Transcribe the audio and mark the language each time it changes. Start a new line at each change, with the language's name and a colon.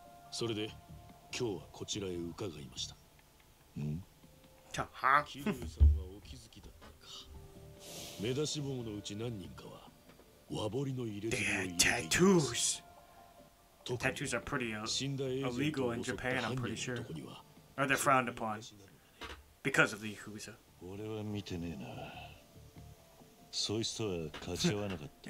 Japanese: それで今日はこちらへ伺いました。うん。は。キリュウさんはお気づきだったか。目出し帽のうち何人かは和彫りの入れ墨を入れています。
English: Tattoos. Tattoos are pretty illegal in Japan. I'm pretty sure. Or they're frowned upon because of the Yakuza.
Japanese: 俺は見てねえな。そういう人は勝ち合わなかった。